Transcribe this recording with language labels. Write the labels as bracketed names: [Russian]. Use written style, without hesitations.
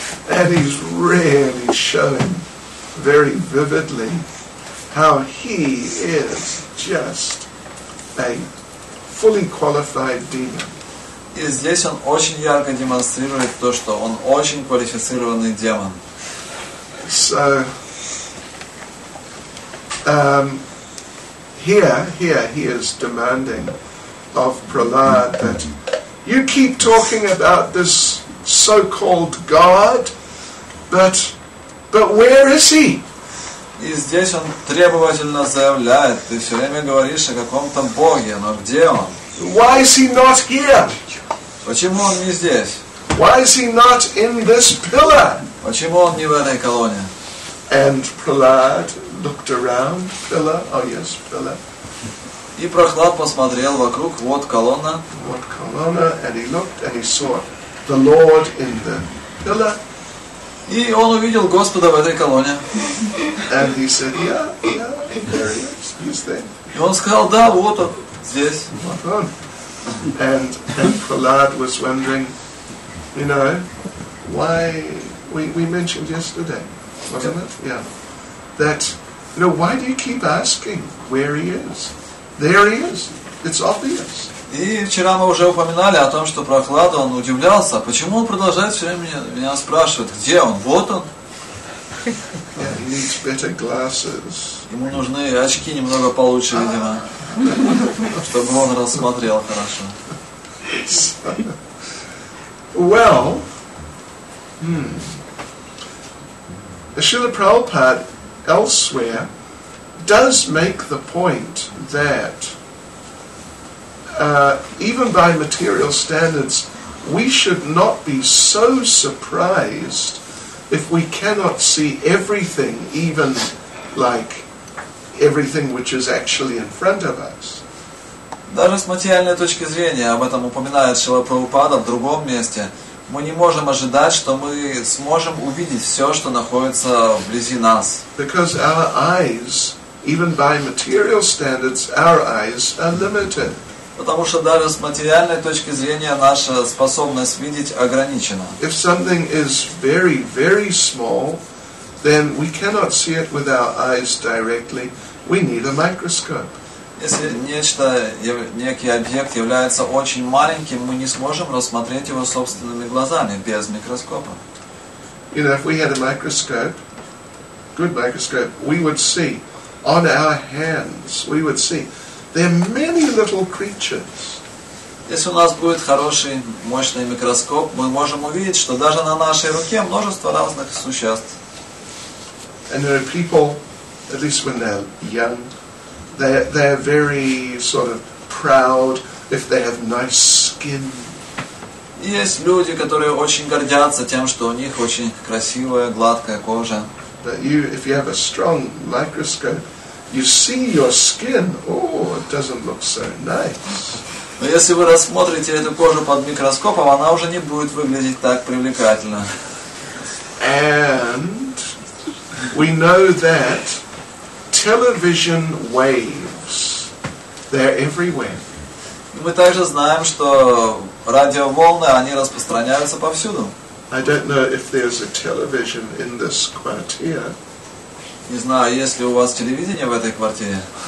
[English] And he's really showing very vividly how he is just a fully qualified demon. [Russian] И здесь он очень ярко демонстрирует то, что он очень квалифицированный демон. [English] So, here he is demanding of Prahlad that you keep talking about this so-called God, but where is he? [Russian] И здесь он требовательно заявляет, ты все время говоришь о каком-то Боге, но где он? [English] Why is he not here? [Russian] Почему он не здесь? [English] Why is he not in this pillar? [Russian] Почему он не в этой колонии? [English] And Prahlad looked around, pillar, oh yes, pillar. [Russian] И Прохлад посмотрел вокруг, вот колонна. Вот колонна, [English] and he looked and he saw the Lord in the pillar. [Russian] И он увидел Господа в этой колонне. [English] And he said, yeah, there he is. [Russian] И он сказал, да, вот он, здесь. [English] And Prahlad was wondering, you know, why we mentioned yesterday, wasn't it? Yeah. That, you know, why do you keep asking where he is? There he is. It's obvious. [Russian] И вчера мы уже упоминали о том, что Прохлад, он удивлялся, почему он продолжает все время меня спрашивать, где он? Вот он. [English] Yeah, he needs better glasses. [Russian] Ему нужны очки немного получше, видимо, чтобы он рассмотрел хорошо. [English] Well, Шрила Прабхупад elsewhere does make the point that even by material standards, we should not be so surprised if we cannot see everything, even like everything which is actually in front of us. [Russian] Даже с материальной точки зрения, об этом упоминает Шрила Прабхупада в другом месте, мы не можем ожидать, что мы сможем увидеть все, что находится вблизи нас. [English] Because our eyes, even by material standards, our eyes are limited. [Russian] Потому что даже с материальной точки зрения наша способность видеть ограничена. [English] If something is very, very small, then we cannot see it with our eyes directly. We need a microscope. [Russian] Если нечто, некий объект является очень маленьким, мы не сможем рассмотреть его собственными глазами без микроскопа. [English] You know, if we had a microscope, good microscope, we would see on our hands, we would see. There are many little creatures. [Russian] Если у нас будет хороший мощный микроскоп, мы можем увидеть, что даже на нашей руке множество разных существ. [English] And there are people, at least when they're young, they're very sort of proud if they have nice skin. [Russian] Есть люди, которые очень гордятся тем, что у них очень красивая гладкая кожа. [English] But if you have a strong microscope, you see your skin. Oh, it doesn't look so nice. [Russian] Но если вы рассмотрите эту кожу под микроскопом, она уже не будет выглядеть так привлекательно. [English] And we know that television waves, they're everywhere. [Russian] И мы также знаем, что радиоволны, они распространяются повсюду. [English] I don't know if there's a television in this quartier. [Russian] Не знаю, есть ли у вас телевидение в этой квартире.